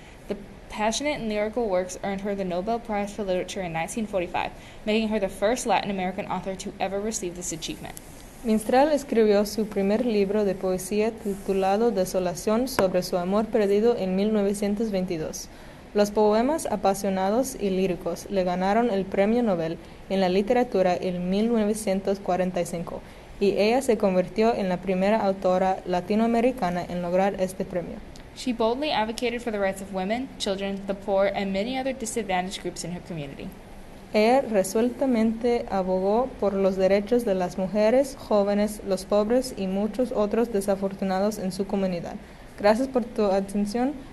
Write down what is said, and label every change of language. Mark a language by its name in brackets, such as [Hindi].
[English] The passionate and lyrical works earned her the Nobel Prize for Literature in 1945, making her the first Latin American author to ever receive this achievement. [Spanish] Mistral escribió su primer libro de poesía titulado Desolacion sobre su amor perdido en 1922. Los poemas apasionados y líricos le ganaron el Premio Nobel en la literatura en 1945 y ella se convirtió en la primera autora latinoamericana en lograr este premio. [English] She boldly advocated for the rights of women, children, the poor, and many other disadvantaged groups in her community. [Spanish] Ella resueltamente abogó por los derechos de las mujeres, jóvenes, los pobres y muchos otros desafortunados en su comunidad. Gracias por tu atención.